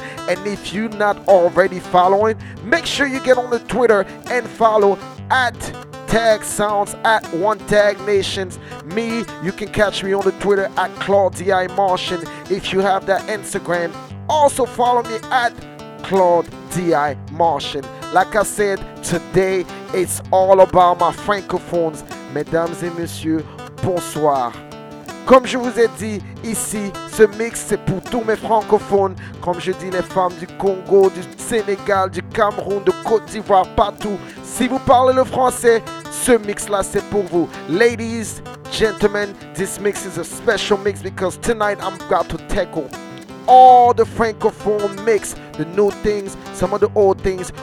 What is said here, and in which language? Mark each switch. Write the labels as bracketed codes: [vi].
[en] And if you're not already following, make sure you get on the Twitter and follow at TAGSoundz, at One Tag Nations. Me, you can catch me on the Twitter at Claude D.I. Martian if you have that Instagram. Also follow me at Claude D.I. Martian. Like I said, today it's all about my francophones. [fr] Mesdames et messieurs, bonsoir. Comme je vous ai dit ici, ce mix c'est pour tous mes francophones. Comme je dis, les femmes du Congo, du Sénégal, du Cameroun, de Côte d'Ivoire, partout. Si vous parlez le français, ce mix-là c'est pour vous. [en] Ladies, gentlemen, this mix is a special mix because tonight I'm about to tackle all the francophone mix, the new things, some of the old things.